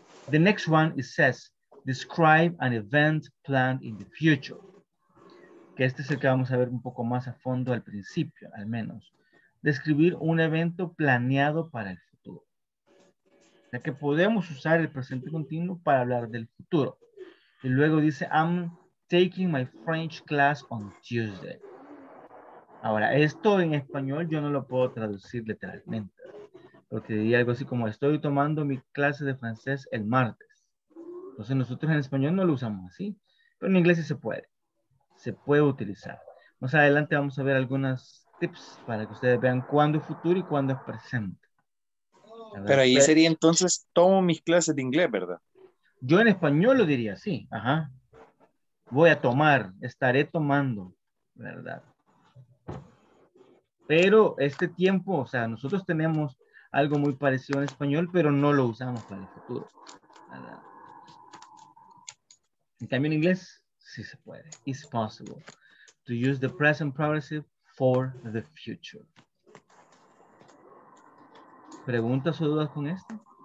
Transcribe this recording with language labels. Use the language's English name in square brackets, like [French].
[English] The next one, it says, describe an event planned in the future. [Spanish] Que este es el que vamos a ver un poco más a fondo al principio, al menos. Describir un evento planeado para el futuro. O sea que podemos usar el presente continuo para hablar del futuro. Y luego dice, [English] I'm taking my French class on Tuesday. [Spanish] Ahora, esto en español yo no lo puedo traducir literalmente. Porque diría algo así como, estoy tomando mi clase de francés el martes. Entonces nosotros en español no lo usamos así. Pero en inglés sí se puede. Se puede utilizar. Más adelante vamos a ver algunas tips para que ustedes vean cuándo es futuro y cuándo es presente. Pero ahí sería entonces, tomo mis clases de inglés, ¿verdad? Yo en español lo diría, sí, ajá. Voy a tomar, estaré tomando, ¿verdad? Pero este tiempo, o sea, nosotros tenemos algo muy parecido en español, pero no lo usamos para el futuro, ¿verdad? En cambio en inglés, sí se puede. [English] It's possible to use the present progressive for the future. [Spanish] ¿Preguntas o dudas con esto?